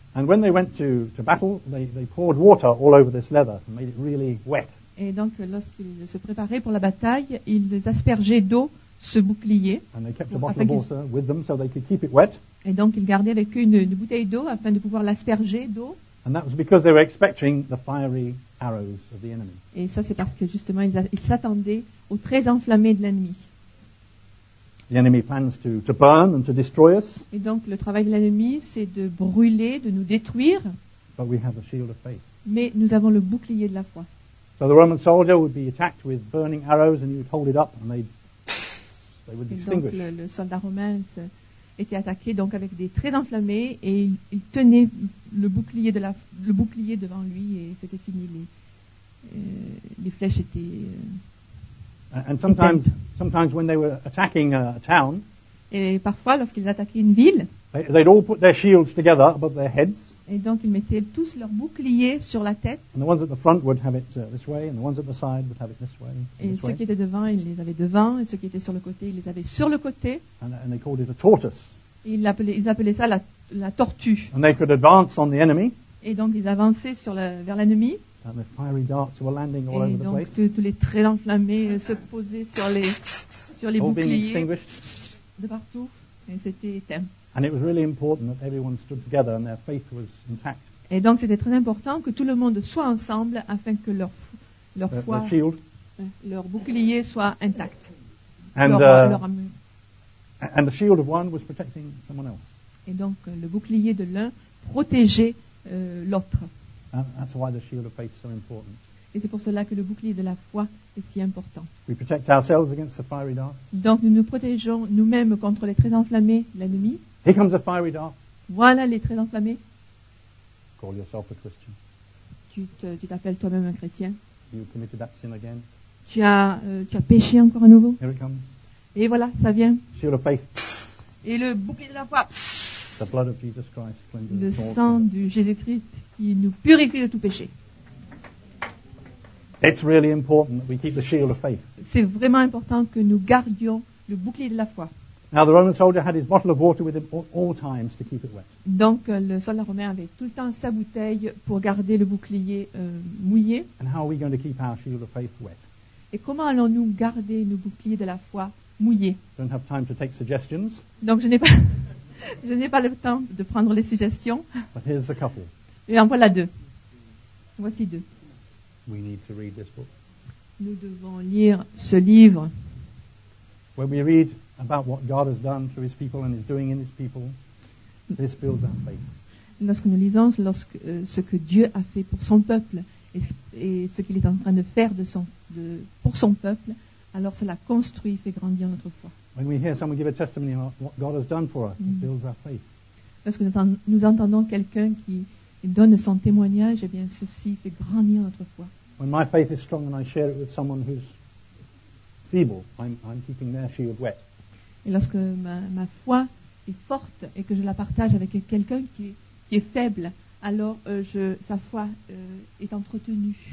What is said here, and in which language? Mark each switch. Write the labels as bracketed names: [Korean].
[English] And when they went to battle, they poured water all over this leather and made it really wet. [French] Et donc, lorsqu'ils se préparaient pour la bataille, ils aspergeaient d'eau ce bouclier. [English] And they kept a bottle of water with them so they could keep it wet. [French] Et donc ils gardaient avec eux une bouteille d'eau afin de pouvoir l'asperger d'eau. [English] And that was because they were expecting the fiery arrows of the enemy. [French] Et ça c'est parce que justement ils s'attendaient aux traits enflammés de l'ennemi. [English] The enemy plans to burn and to destroy us. [French] Et donc le travail de l'ennemi c'est de brûler, de nous détruire. [English] But we have the shield of faith. [French] Mais nous avons le bouclier de la foi. [English] So the Roman soldier would be attacked with burning arrows, and he would hold it up, and they would extinguish. [French] Le soldat romain était attaqué donc avec des traits enflammés, et il tenait le bouclier devant lui, et c'était fini. Les flèches étaient. [English] And sometimes, [French] éteintes. [English] Sometimes when they were attacking a town. [French] Et parfois, lorsqu'ils attaquaient une ville. [English] They'd all put their shields together above their heads. [French] Et donc ils mettaient tous leurs boucliers sur la tête. [English] And the ones at the front would have it this way, and the ones at the side would have it this way. [French] Et [English] this [French] ceux [English] way. [French] Qui étaient devant, ils les avaient devant, et ceux qui étaient sur le côté, ils les avaient sur le côté. [English] And they called it a tortoise. [French] Et ils appelaient ça la tortue. [English] And they could advance on the enemy. [French] Et donc ils avançaient vers l'ennemi. [English] And the fiery darts were landing all [French] et [English] over [French] donc, [English] the place. [French] Et donc tous les traits enflammés se posaient sur les [English] all [French] boucliers. [English] All being extinguished. [French] De partout, et c'était éteint. [English] And it was really important that everyone stood together and their faith was intact. [French] Et donc c'était très important que tout le monde soit ensemble afin que leur foi, [English] their shield, [French] leur bouclier soit intact. [English] And the shield of one was protecting someone else. [French] Et donc le bouclier de l'un protégeait l'autre. [English] And that's why the shield of faith is so important. [French] Et c'est pour cela que le bouclier de la foi est si important. [English] We protect ourselves against the fiery darts. [French] Donc nous nous protégeons nous-mêmes contre les traits enflammés de l'ennemi. [English] Here comes a fiery dart. [French] Voilà les traits enflammés. [English] Call yourself a Christian. [French] Tu t'appelles toi-même un chrétien. [English] You committed that sin again. [French] Tu as péché encore à nouveau. [English] Here it comes. [French] Et voilà, ça vient. [English] Shield of faith. [French] Et le bouclier de la foi. [English] The blood of Jesus Christ cleanses [French] le sang de Jésus-Christ qui nous purifie de tout péché. [English] It's really important that we keep the shield of faith. [French] C'est vraiment important que nous gardions le bouclier de la foi. [English] Now the Roman soldier had his bottle of water with him all times to keep it wet. [French] Donc le soldat romain avait tout le temps sa bouteille pour garder le bouclier mouillé. [English] And how are we going to keep our shield of faith wet? [French] Et comment allons-nous garder nos boucliers de la foi mouillés? [English] Don't have time to take suggestions. [French] Donc je n'ai pas le temps de prendre les suggestions. [English] But here's a couple. [French] Et en voilà deux. Voici deux. [English] We need to read this book. [French] Nous devons lire ce livre. [English] When we read about what God has done through His people and is doing in His people, this builds our faith. [French] Lorsque nous lisons ce que Dieu a fait pour son peuple et ce qu'il est en train de faire pour son peuple, alors cela construit, fait grandir notre foi. [English] When we hear someone give a testimony about what God has done for us, it builds our faith. [French] Lorsque nous entendons quelqu'un qui donne son témoignage, eh bien ceci fait grandir notre foi. [English] When my faith is strong and I share it with someone who's feeble, I'm keeping their shield wet. [French] Et lorsque ma foi est forte et que je la partage avec quelqu'un qui est faible, alors sa foi est entretenue.